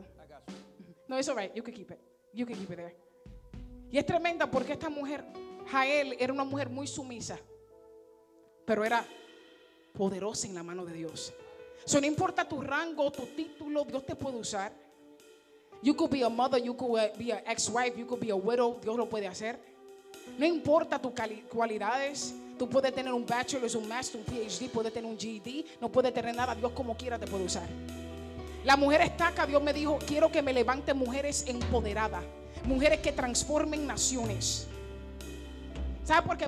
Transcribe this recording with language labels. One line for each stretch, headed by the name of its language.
English: I got you. No, it's all right. You can keep it. You can keep it there.
Spanish: Y es tremenda porque esta mujer, Jael, era una mujer muy sumisa. Pero era poderosa en la mano de Dios. So no importa tu rango, tu título, Dios te puede usar.
English: You could be a mother, you could be an ex-wife, you could be a widow,
Spanish: Dios lo puede hacer. No importa tus cualidades, tú puedes tener un bachelor's, un master, un PhD, puedes tener un GED, no puedes tener nada, Dios como quiera te puede usar. La mujer estaca, Dios me dijo, quiero que me levante mujeres empoderadas, mujeres que transformen naciones. ¿Sabe por qué?